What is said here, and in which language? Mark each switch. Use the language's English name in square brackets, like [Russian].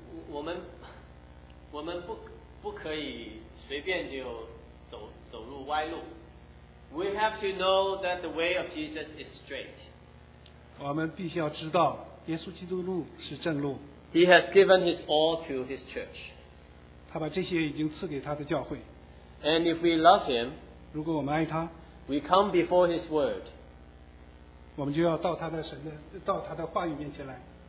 [Chinese] 我们不可以随便就走入歪路。 [English] We have to know that the way of Jesus is straight. [Chinese] 我们必须要知道耶稣基督路是正路。 [English] He has given his all to his church. [Chinese] 他把这些已经赐给他的教会。 [English] And if we love him, [Chinese] 如果我们爱他, [English] we come before his word. [Chinese] 我们就要到他的神的，到他的话语面前来。